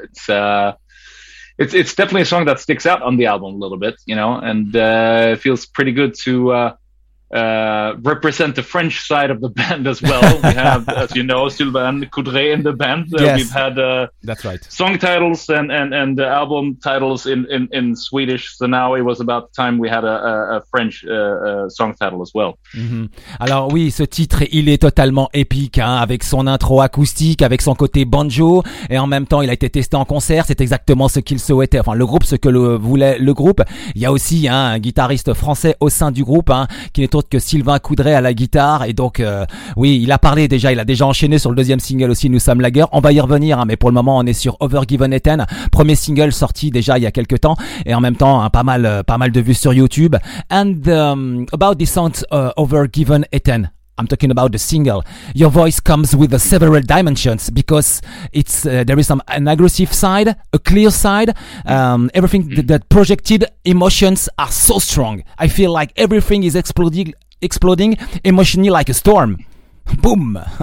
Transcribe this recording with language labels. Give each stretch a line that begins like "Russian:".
English: It's definitely a song that sticks out on the album a little bit, you know, and it feels pretty good to represent the French side of the band as well. We have, as you know, Sylvain Coudray in the band. Yes, we've had that's right. Song titles and the album titles in Swedish. So now it was about time we had a French song title as well. Mm-hmm.
French: Alors oui, ce titre, il est totalement épique, hein, avec son intro acoustique, avec son côté banjo, et en même temps, il a été testé en concert. C'est exactement ce qu'il souhaitait. Enfin, le groupe, ce que le voulait le groupe. Il y a aussi un guitariste français au sein du groupe, hein, qui n'est autre que Sylvain Coudray à la guitare. Et donc oui, il a parlé déjà, il a déjà enchaîné sur le deuxième single aussi, Nous sommes la guerre. On va y revenir, hein, mais pour le moment on est sur Overgiven Eden, premier single sorti déjà il y a quelques temps, et en même temps hein, pas mal de vues sur YouTube.
English: And about the song Overgiven Eden, I'm talking about the single. Your voice comes with several dimensions because it's there is some an aggressive side, a clear side. Everything that projected emotions are so strong. I feel like everything is exploding emotionally like a storm. Boom.